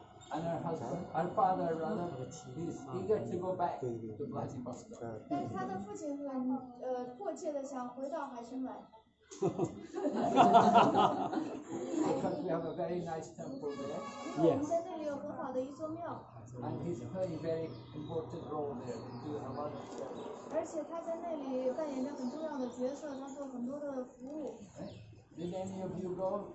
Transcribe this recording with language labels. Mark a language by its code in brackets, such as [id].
[en] And her husband, her father rather, he's eager to go back to Vladivostok. [zh] 但他的父亲很迫切的想回到海参崴。 [en] Because we have a very nice temple there. Yes. We have a very nice temple there. And he's playing a very important role there. He's doing a lot of service. And he's playing a very important role there. He's doing a lot of service. Did any of you go?